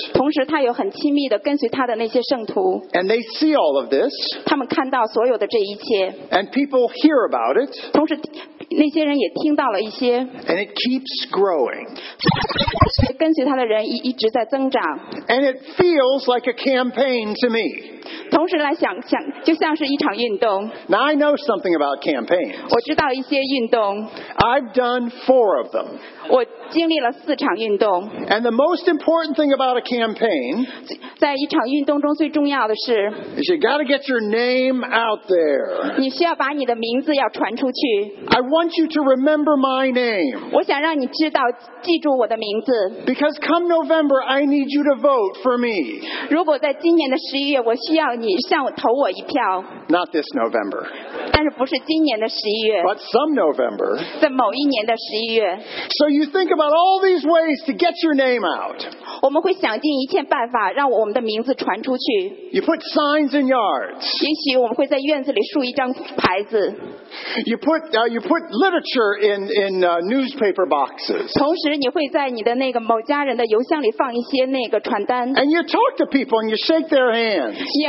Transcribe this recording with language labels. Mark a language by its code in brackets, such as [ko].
[zh] 同时他有很亲密的跟随他的那些圣徒。 [en] And they see all of this. [zh] 他们看到所有的这一切。 [en] And people hear about it. [zh] 同时那些人也听到了一些。 [en] And it keeps growing. [zh] 跟随他的人一直在增长。 [en] And it feels like a campaign to me. [zh] 同时来想就像是一场运动。 [en] Now I know something about campaigns. [zh] 我知道一些运动。 [en] I've done four of them. [zh] 我经历了四场运动。 [en] And the most important thing about a campaign. [zh] 在一场运动中最重要的是。 [en] Is you gotta get your name out there. [zh] 你需要把你的名字要传出去。 [en] I want you to remember my name. [zh] 我想让你知道记住我的名字。 [en] Because come November, I need you to vote for me. [zh] 如果在今年的十一月，我需需要你投我一票。 [en] Not this November. [zh] 但是不是今年的11月。 [en] But some November. [zh] 在某一年的11月。 [en] So you think about all these ways to get your name out. [zh] 我们会想尽一切办法让我们的名字传出去。 [en] You put signs in yards. [zh] 也许我们会在院子里竖一张牌子。 [en] You put literature in newspaper boxes. [zh] 同时你会在你的那个某家人的邮箱里放一些那个传单。 [en] And you talk to people and you shake their hands.